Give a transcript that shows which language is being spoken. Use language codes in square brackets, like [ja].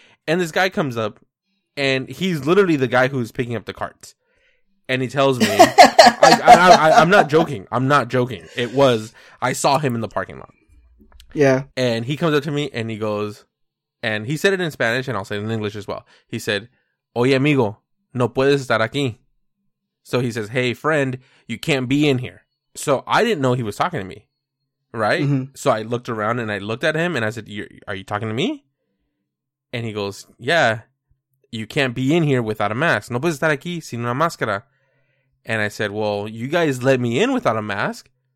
[en] And this guy comes up, and he's literally the guy who's picking up the carts. And he tells me, I'm not joking. I saw him in the parking lot. Yeah. And he comes up to me, and he goes, and he said it in Spanish, and I'll say it in English as well. [es] He said, oye, amigo, no puedes estar aquí. [en] So he says, hey, friend, you can't be in here. So I didn't know he was talking to me, right? Mm-hmm. So I looked around and I looked at him and I said, are you talking to me? And he goes, yeah, you can't be in here without a mask. [es] No puedes estar aquí sin una máscara. [en] And I said, well, you guys let me in without a mask.